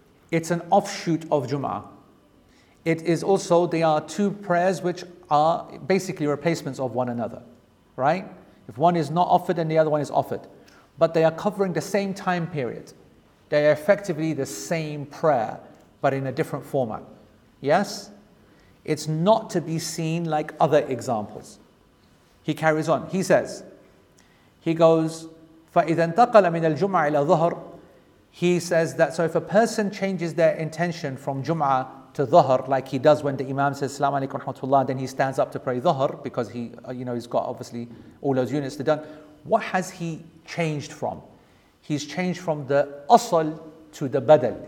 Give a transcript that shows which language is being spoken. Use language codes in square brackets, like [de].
[en] It's an offshoot of Jum'ah. It is also, they are two prayers which are basically replacements of one another, right? If one is not offered, then the other one is offered. But they are covering the same time period. They are effectively the same prayer, but in a different format. Yes? It's not to be seen like other examples. He carries on. He says, he goes, [ar] فَإِذَا انْتَقَلَ مِنَ الْجُمْعَةِ إِلَى الظُّهْرِ. [en] He says that, so if a person changes their intention from Jum'ah to Dhuhr, like he does when the Imam says, Salaamu Alaikum Rahmatullah, then he stands up to pray Dhuhr, because he, you know, he's got obviously all those units to done. What has he changed from? He's changed from the Asl to the Badal.